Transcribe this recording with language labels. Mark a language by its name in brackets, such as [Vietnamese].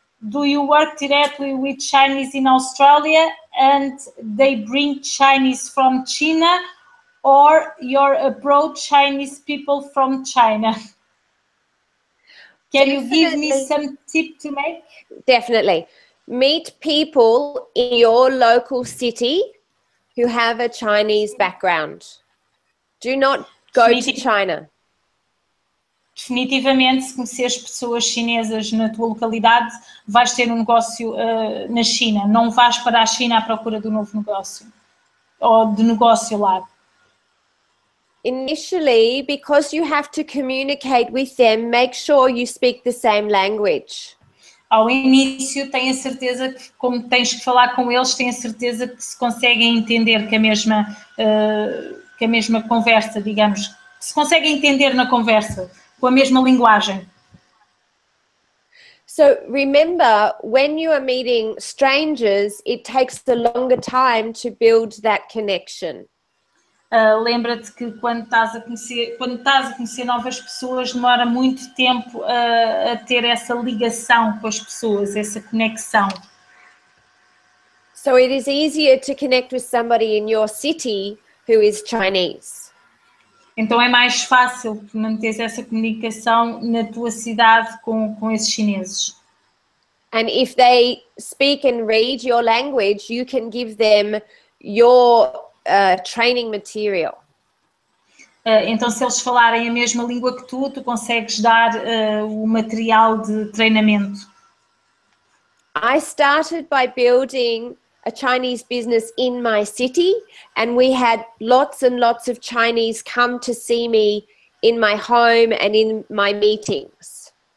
[English] Do you work directly with Chinese in Australia and they bring Chinese from China or your abroad Chinese people from China? Can you give me some tip to make? Definitely. Meet people in your local city who have a Chinese background. Do not go to China. [Portuguese] Definitivamente, se conheceres pessoas chinesas na tua localidade, vais ter um negócio na China. Não vais para a China à procura de um novo negócio ou de negócio lá. [English] Initially, because you have to communicate with them, make sure you speak the same language. [Portuguese] Ao início, tenho a certeza que, como tens que falar com eles, tenho a certeza que se conseguem entender com a mesma conversa, digamos. Se conseguem entender na conversa. Com a mesma linguagem. [English] So remember, when you are meeting strangers, it takes a longer time to build that connection. [Portuguese] Lembra-te que quando estás a conhecer novas pessoas, demora muito tempo a ter essa ligação com as pessoas, essa conexão. [English] So it is easier to connect with somebody in your city who is Chinese. [Portuguese] Então é mais fácil manter essa comunicação na tua cidade com esses chineses. [English] And if they speak and read your language, you can give them your training material. [Portuguese] Então se eles falarem a mesma língua que tu consegues dar o material de treinamento. [English] I started by building a Chinese business in my city, and we had lots and lots of Chinese come to see me in my home and in my meetings.